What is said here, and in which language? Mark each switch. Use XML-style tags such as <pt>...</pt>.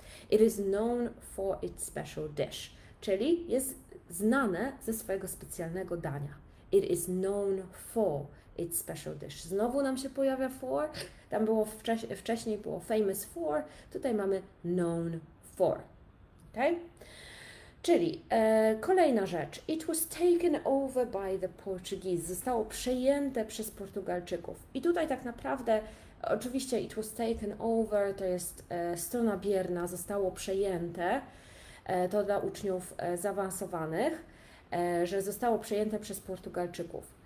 <en>It is known for its special dish.</en> <pl>Czyli jest znane ze swojego specjalnego dania.</pl> <en>It is known for its special dish.</en> <pl>Znowu nam się pojawia for. Tam było wcześniej było famous for. Tutaj mamy known for. Okay? Czyli kolejna rzecz.</pl> <en>It was taken over by the Portuguese.</en> <pl>Zostało przejęte przez Portugalczyków. I tutaj tak naprawdę, oczywiście</pl> <en>it was taken over,</en> <pl>to jest strona bierna, zostało przejęte. To dla uczniów zaawansowanych. Że zostało przejęte przez Portugalczyków.</pl>